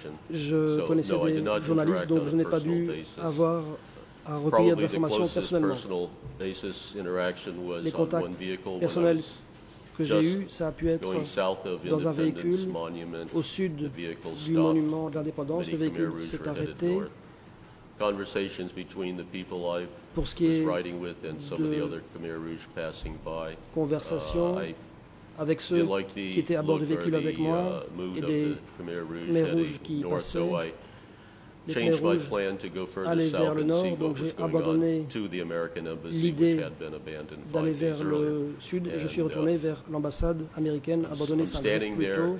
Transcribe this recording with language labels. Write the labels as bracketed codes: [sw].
[fr] Je connaissais des journalistes, donc je n'ai pas dû avoir à recueillir des informations personnellement. Les contacts personnels que j'ai eus, ça a pu être dans un véhicule au sud du monument de l'indépendance. Le véhicule s'est arrêté. [en] Conversations between the people I was riding with and some of the other Khmer Rouge passing by. [fr] Conversations avec ceux qui étaient à bord du véhicule avec moi et des Khmer Rouge qui passaient. Les Khmer Rouge allaient vers le nord, donc j'ai abandonné l'idée d'aller vers le sud et je suis retourné vers l'ambassade américaine, abandonnée 5 jours plus tôt.